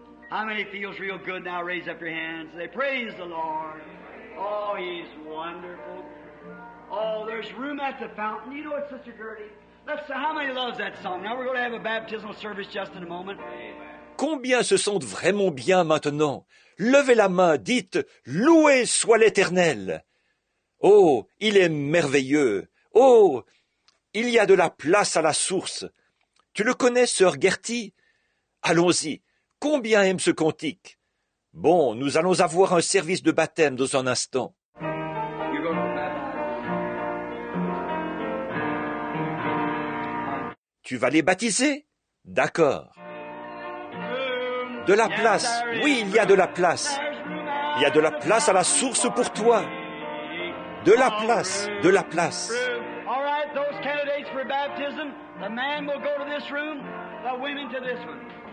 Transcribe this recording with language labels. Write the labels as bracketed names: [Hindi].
[English] How many feels real good now? Raise up your hands. They praise the Lord. Oh, he's wonderful. Oh, there's room at the fountain. You know it, Sister Gertie. Let's say, how many loves that song? Now we're going to have a baptismal service just in a moment. [French] Combien se sentent vraiment bien maintenant? Levez la main, dites, loué soit l'Éternel. Oh, il est merveilleux. Oh, il y a de la place à la source. Tu le connais, sœur Gertie? Allons-y. Combien aime ce cantique? Bon, nous allons avoir un service de baptême dans un instant. Tu vas les baptiser? D'accord. De la place. Oui, il y a de la place. Il y a de la place à la source pour toi. De la place. De la place. [English] Those candidates for baptism, the man will go to this room, the women to this one.